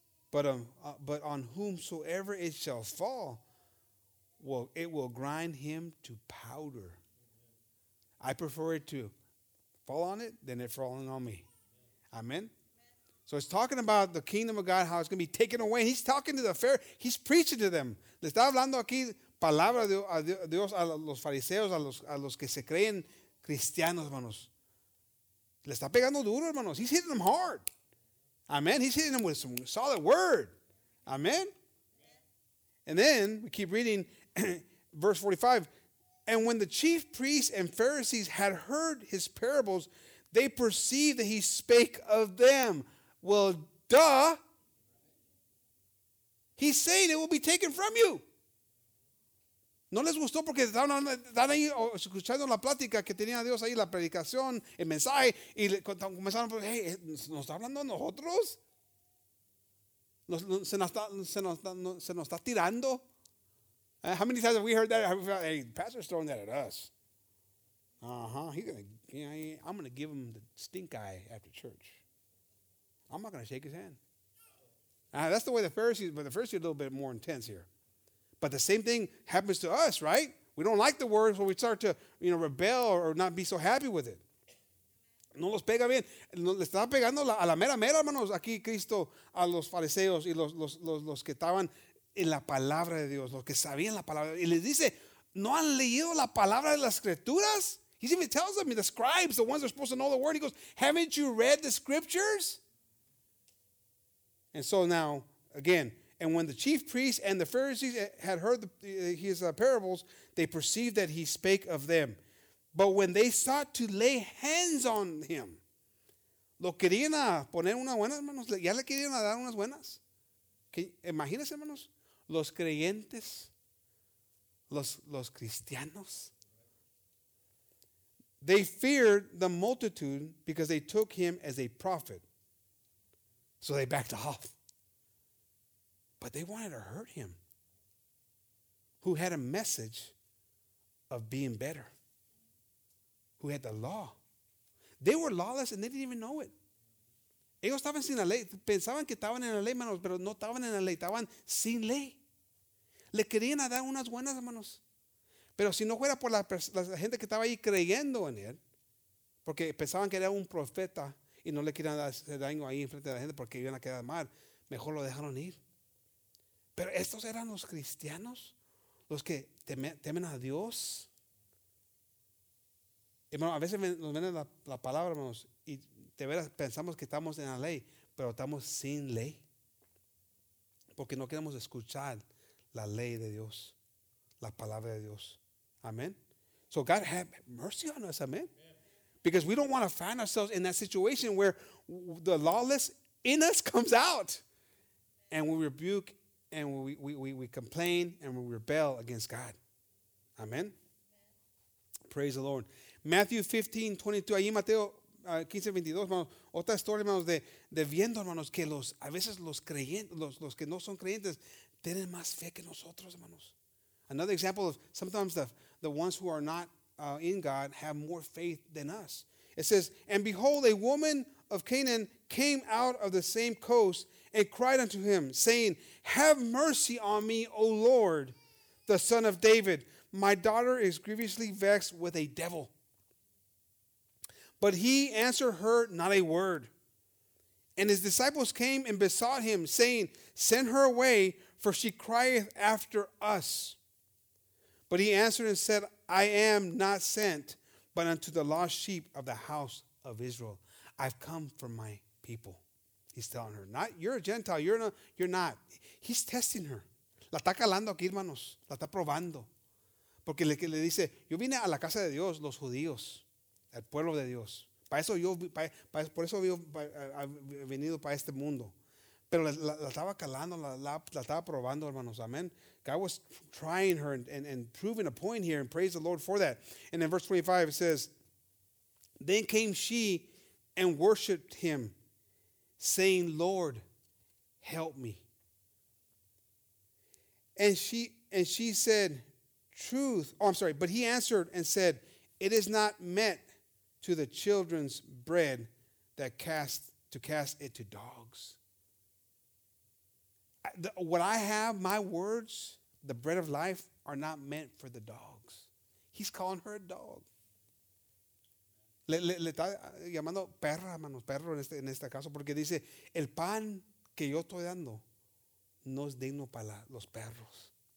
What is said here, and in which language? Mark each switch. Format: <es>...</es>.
<en>But on whomsoever it shall fall, it will grind him to powder. I prefer it to fall on it than it falling on me. Amen? So it's talking about the kingdom of God, how it's going to be taken away. He's talking to the Pharisees. He's preaching to them.</en> <es>Le está hablando aquí palabra de Dios a los fariseos, a los que se creen cristianos, hermanos. Le está pegando duro, hermanos.</es> <en>He's hitting them hard.</en> <es>Amen.</es> <en>He's hitting them with some solid word. Amen. And then we keep reading verse 45. And when the chief priests and Pharisees had heard his parables, they perceived that he spake of them. Well, duh. He's saying it will be taken from you.</en> <es>No les gustó porque estaban ahí escuchando la plática que tenía Dios ahí, la predicación, el mensaje, y comenzaron a decir, hey, ¿nos está hablando a nosotros? ¿Se nos está tirando?</es> <en>How many times have we heard that? Have we felt, hey, pastor's throwing that at us. Uh-huh. I'm going to give him the stink eye after church. I'm not going to shake his hand. That's the way the Pharisees, but the Pharisees are a little bit more intense here. But the same thing happens to us, right? We don't like the word, so we start to, you know, rebel or not be so happy with it.</en> <es>No los pega bien. Le está pegando a la mera mera, hermanos, aquí Cristo, a los fariseos y los que estaban en la palabra de Dios, los que sabían la palabra. Y les dice, ¿no han leído la palabra de las escrituras?</es> <en>He even tells them, the scribes, the ones that are supposed to know the word, he goes, haven't you read the scriptures? And so now, again, and when the chief priests and the Pharisees had heard his parables, they perceived that he spake of them. But when they sought to lay hands on him,</en> <es>Lo querían a poner unas buenas, hermanos. Ya le querían a dar unas buenas. ¿Qué? Imagínense, hermanos, los creyentes, los cristianos.</es> <en>They feared the multitude because they took him as a prophet. So they backed off. But they wanted to hurt him, who had a message of being better, who had the law. They were lawless and they didn't even know it.</en> <es>Ellos estaban sin la ley. Pensaban que estaban en la ley, hermanos, pero no estaban en la ley. Estaban sin ley. Le querían dar unas buenas, hermanos. Pero si no fuera por la gente que estaba ahí creyendo en él, porque pensaban que era un profeta y no le querían dar daño ahí en frente de la gente porque iban a quedar mal, mejor lo dejaron ir. Pero estos eran los cristianos, los que temen a Dios. Hermano, a veces nos viene la palabra, hermanos, y de veras pensamos que estamos en la ley, pero estamos sin ley. Porque no queremos escuchar la ley de Dios, la palabra de Dios.</es> <en>Amen. So God have mercy on us, amen. Because we don't want to find ourselves in that situation where the lawless in us comes out. And we rebuke and we complain and we rebel against God. Amen. Praise the Lord. Matthew 15, 22.</en> <es>Ahí Mateo 15, 22, hermanos. Otra historia, hermanos, de viendo, hermanos, que los a veces los creyentes, los que no son creyentes, tienen más fe que nosotros, hermanos.</es> <en>Another example of sometimes the ones who are not in God have more faith than us. It says, and behold, a woman of Canaan came out of the same coast and cried unto him, saying, have mercy on me, O Lord, the son of David. My daughter is grievously vexed with a devil. But he answered her not a word. And his disciples came and besought him, saying, send her away, for she crieth after us. But he answered and said, I am not sent, but unto the lost sheep of the house of Israel. I've come for my people. He's telling her, not you're a Gentile, you're not. He's testing her.</en> <es>La está calando aquí, hermanos. La está probando. Porque le dice, yo vine a la casa de Dios, los judíos, al pueblo de Dios. Por eso yo he venido para este mundo. Pero la estaba calando, la estaba probando, hermanos. Amen.</es> <en>God was trying her and proving a point here, and praise the Lord for that. And in verse 25 it says, then came she and worshipped him, saying, Lord, help me. And she said, truth. Oh, I'm sorry. But he answered and said, it is not meant to the children's bread that cast it to dogs. What I have, my words, the bread of life, are not meant for the dogs. He's calling her a dog.</en> <es>Le está llamando perra, hermanos, perro en este caso, porque dice, el pan que yo estoy dando no es digno para los perros.</es>